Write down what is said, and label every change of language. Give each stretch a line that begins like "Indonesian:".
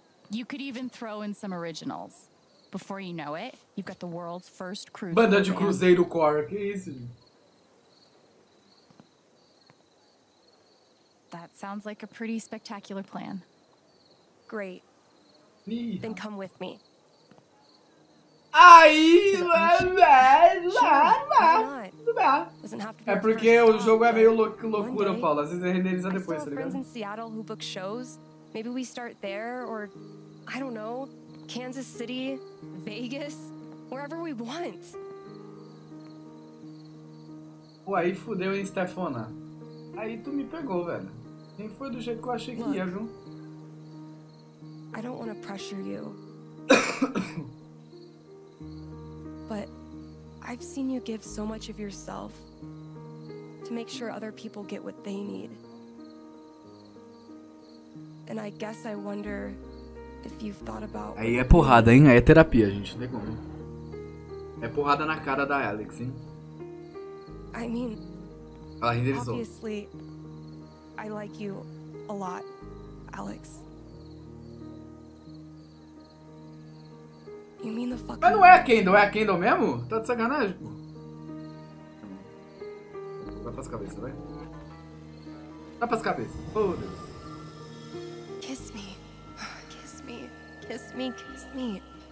English: You could even throw in some originals. Before you know it, you've got the world's first cruise.
Portuguese: Banda de cruzeiro core, que isso?
English: That sounds like a pretty spectacular plan. Great. Yeah. Then come with me.
Portuguese: Aí, vai. É porque o jogo é meio loucura, Paulo. Às vezes é renderizado depois, tá ligado?
English: Seattle who book shows. Maybe we start there or I don't know, Kansas City, Vegas, wherever we want.
Portuguese: Pô, aí fudeu, hein, Stefana. Aí tu me pegou, velho. Nem foi do jeito que eu achei que ia, viu?
English: I don't want to pressure you. But I've seen you give so much of yourself to make sure other people get what they need. And I guess I wonder if you've thought about...
Portuguese: Aí é porrada, hein? Aí é terapia, gente. Não tem como. É porrada na cara da Alex, hein?
English: I mean...
Portuguese: Ela renderizou.
English: Obviously, I like you a lot, Alex. You mean the fucking...
Portuguese: Mas não é a Kendall, é a Kendall mesmo? Tá de sacanagem, pô. Dá pras cabeças, vai. Dá pras cabeças. Pô, oh, Deus.
English: Kiss me. Kiss me. Kiss me. Kiss me.